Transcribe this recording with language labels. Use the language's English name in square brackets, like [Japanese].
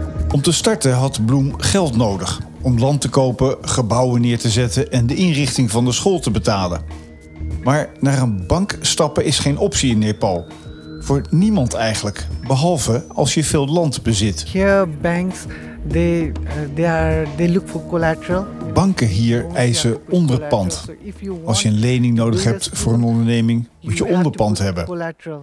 [Dutch] Om te starten had Bloem geld nodig om land te kopen, gebouwen neer te zetten en de inrichting van de school te betalen. Maar naar een bank stappen is geen optie in Nepal. Voor niemand eigenlijk, behalve als je veel land bezit. [English] Here banks, they look for collateral. [Dutch] Banken hier eisen onderpand. Als je een lening nodig hebt voor een onderneming, moet je onderpand hebben.